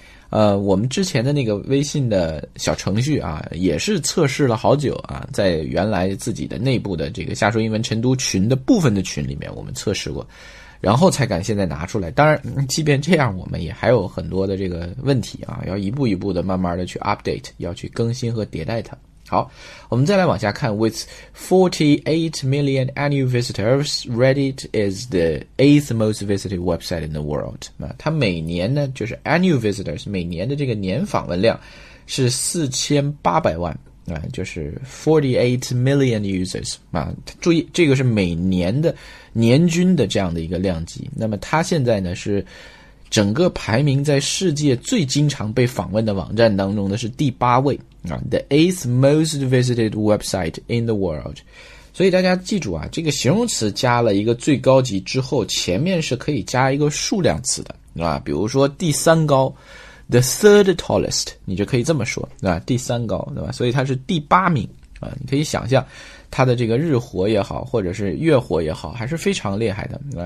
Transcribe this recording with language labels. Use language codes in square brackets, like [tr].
[zh] 我们之前的那个微信的小程序啊，也是测试了好久啊，在原来自己的内部的这个下说英文晨读群的部分的群里面我们测试过，然后才敢现在拿出来。当然即便这样，我们也还有很多的这个问题啊，要一步一步的慢慢的去 update, 要去更新和迭代它。好，我们再来往下看 [en] ,with 48 million annual visitors, Reddit is the 8th most visited website in the world. [zh] 它每年呢就是 [en] annual visitors, [zh] 每年的这个年访问量是4800万、就是 [en] 48 million users,、 [zh] 注意这个是每年的年均的这样的一个量级。那么它现在呢是整个排名在世界最经常被访问的网站当中的是第八位。 [en] The 8th most visited website in the world. [zh] 所以大家记住啊，这个形容词加了一个最高级之后，前面是可以加一个数量词的，是吧？比如说第三高 , [en] the third tallest, [zh] 你就可以这么说，是吧？第三高，对吧？所以它是第八名啊，你可以想象它的这个日活也好，或者是月活也好，还是非常厉害的。